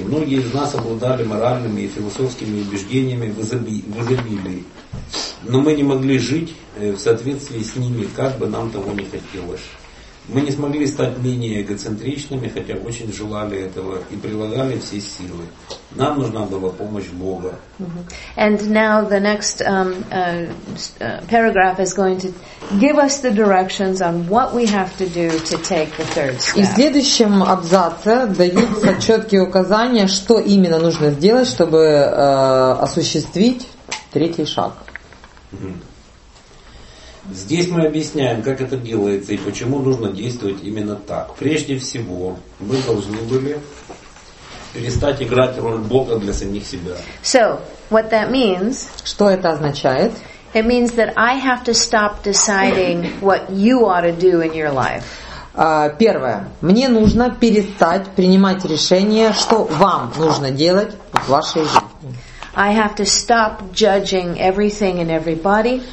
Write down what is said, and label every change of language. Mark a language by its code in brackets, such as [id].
[ru] Многие из нас обладали моральными и философскими убеждениями в изобилии. Но мы не могли жить в соответствии с ними, как бы нам того ни хотелось. Мы не смогли стать менее эгоцентричными, хотя очень желали этого и прилагали все силы. Нам нужна была помощь Бога. [en] And now the next paragraph is going to give us the directions on what we have to do to take the third step. [ru] И в следующем абзаце даются четкие указания, что именно нужно сделать, чтобы осуществить третий шаг. Здесь мы объясняем, как это делается и почему нужно действовать именно так. Прежде всего, мы должны были перестать играть роль Бога для самих себя. [en] So, what that means? [ru] Что это означает? [en] It means that I have to stop deciding what you ought to do in your life. [ru] Первое. Мне нужно перестать принимать решение, что вам нужно делать в вашей жизни. [en] I have to stop judging everything and everybody.